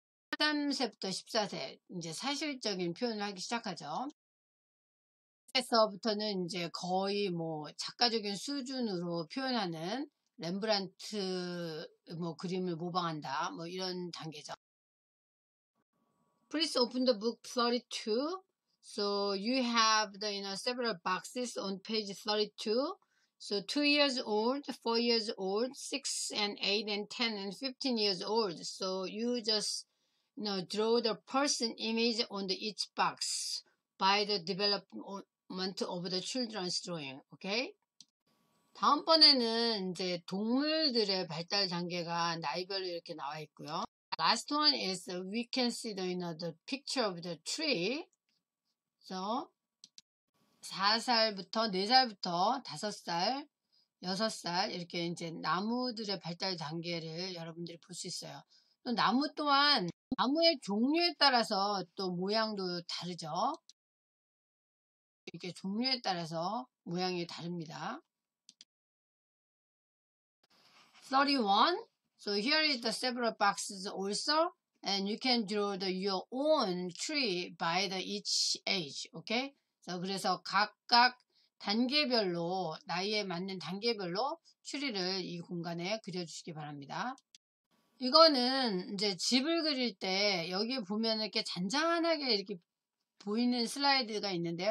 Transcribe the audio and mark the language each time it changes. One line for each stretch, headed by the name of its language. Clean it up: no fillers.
Korean: 13세부터 14세, 이제 사실적인 표현을 하기 시작하죠. 8세부터는 이제 거의 뭐 작가적인 수준으로 표현하는 렘브란트 뭐 그림을 모방한다. 뭐 이런 단계죠.
English: Please open the book 32. So you have the, several boxes on page 32. So 2 years old, 4 years old, 6 and 8 and 10 and 15 years old. So you just, draw the person image on the each box by the development of the children's drawing. Okay?
Korean: 다음번에는 이제 동물들의 발달 단계가 나이별로 이렇게 나와 있고요.
English: Last one is we can see the picture of the tree.
Korean: 그래서 4살부터 4살부터 5살, 6살 이렇게 이제 나무들의 발달 단계를 여러분들이 볼수 있어요. 또 나무 또한 나무의 종류에 따라서 또 모양도 다르죠. 이렇게 종류에 따라서 모양이 다릅니다.
English: 31. So here is the several boxes also. And you can draw your own tree by each age, okay?
Korean: So 그래서 각각 단계별로 나이에 맞는 단계별로 추리를 이 공간에 그려주시기 바랍니다. 이거는 이제 집을 그릴 때 여기 보면 이렇게 잔잔하게 이렇게 보이는 슬라이드가 있는데요.